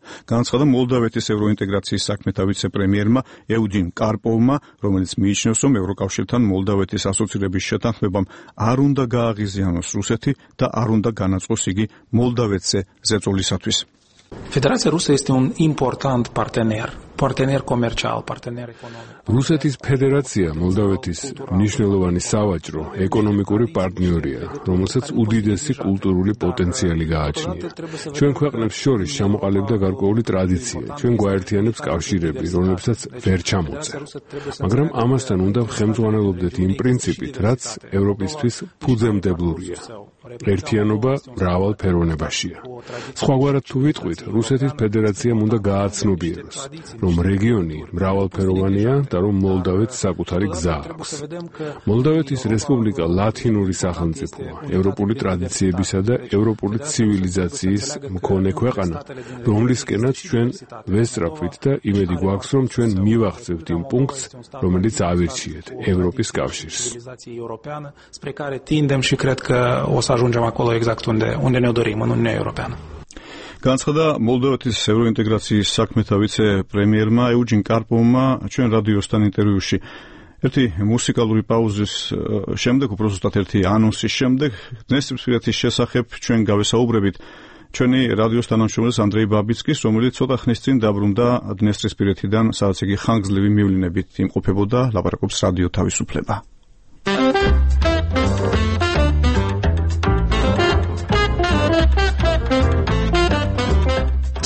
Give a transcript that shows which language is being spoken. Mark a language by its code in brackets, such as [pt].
[ka] განაცხადა მოლდავეთის ევროინტეგრაციის საქმეთა ვიცე-პრემიერმა ევჯინ კარპოვმა, რომელიც მიიჩნევს, რომ ევროკავშირთან მოლდავეთის ასოცირების შეთანხმებამ არ უნდა გააღიზიანოს რუსეთი და არ უნდა განაწყოს იგი მოლდავეთზე ზეწოლისათვის. [ro] Federația Rusă este un important partener. Partener comercial, partener economic. [ka] Რუსეთის ფედერაცია მოლდავეთის მნიშვნელოვანი სავაჭრო, ეკონომიკური პარტნიორია, რომელსაც უდიდესი კულტურული პოტენციალი გააჩნია. ჩვენ ქვეყნებს შორის ჩამოყალიბდა გარკვეული ტრადიცია, ჩვენ გვაერთიანებს კავშირები, რომლებსაც ვერ ჩამოწერ. მაგრამ ამასთან უნდა ხელმძღვანელობდეთ იმ პრინციპით, რაც ევროპისთვის ფუძემდებლურია. ერთიანობა მრავალფეროვნებაშია. სხვაგვარად თუ ვიტყვით, რუსეთის ფედერაციამ უნდა გააცნობიეროს, რომ რეგიონი მრავალფეროვანია და რომ მოლდავეთს საკუთარი გზა აქვს. მოლდავეთის რესპუბლიკა ლათინური სახელმწიფოა, ევროპული ტრადიციებისა და ევროპული ცივილიზაციის მქონე ქვეყანა, რომლისკენაც ჩვენ ვესწრაფვით და იმედი გვაქვს, რომ ჩვენ მივახცევთ იმ პუნქტს, რომელიც ავირჩიეთ ევროპის კავშირს. [ro] Ajungem acolo exact unde ne dorim, în Uniunea Europeană. [ka] განცხადა მოლდავეთის ევროინტეგრაციის საქმეთა ვიცე-პრემიერმა ეუჯინ კარპოვმა ჩვენ რადიოსთან ინტერვიუში. ერთი მუსიკალური პაუზის შემდეგ, უფრო ზუსტად ერთი ანონსის შემდეგ, დღეს სიმსივრცის შესახებ ჩვენ გავესაუბრებით ჩვენი რადიოს თანამშრომელს ანდრეი ბაბიცკის, რომელიც ცოტა ხნის წინ დაბრუნდა დნესტრისპირეთიდან, სადაც იგი ხანგრძლივი მივლინებით იმყოფებოდა, ლაპარაკობს რადიო თავისუფლება.